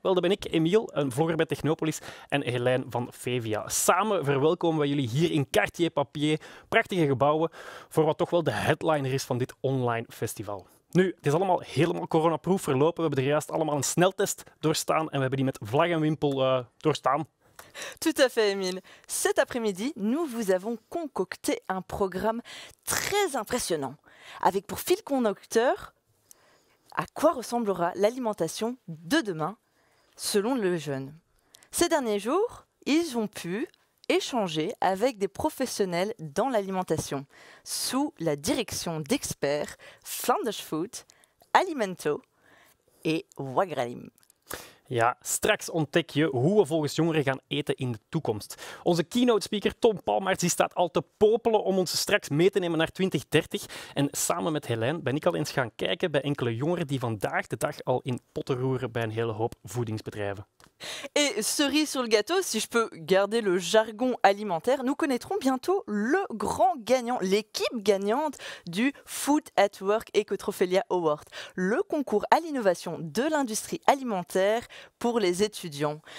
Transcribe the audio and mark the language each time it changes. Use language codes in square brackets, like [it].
[nl] Wel, dat ben ik, Emiel, een vlogger bij Technopolis en Helijn van Fevia. Samen verwelkomen we jullie hier in Cartier-Papier, prachtige gebouwen, voor wat toch wel de headliner is van dit online festival. Nu, het is allemaal helemaal coronaproof verlopen. We hebben er juist allemaal een sneltest doorstaan en we hebben die met vlag en wimpel doorstaan. [fr] Tout à fait, Emile. Cet après-midi, nous vous avons concocté un programme très impressionnant, avec pour fil conducteur à quoi ressemblera l'alimentation de demain, selon le jeûne. Ces derniers jours, ils ont pu échanger avec des professionnels dans l'alimentation, sous la direction d'experts Flanders Food, Alimento et Wagralim. [nl] Ja, straks ontdek je hoe we volgens jongeren gaan eten in de toekomst. Onze keynote speaker Tom Palmaerts staat al te popelen om ons straks mee te nemen naar 2030. En samen met Helijn ben ik al eens gaan kijken bij enkele jongeren die vandaag de dag al in potten roeren bij een hele hoop voedingsbedrijven. [fr] Et cerise sur le gâteau, si je peux garder le jargon alimentaire, nous connaîtrons bientôt le grand gagnant, l'équipe gagnante du Food at Work Ecotrophelia Award, le concours à l'innovation de l'industrie alimentaire pour les étudiants.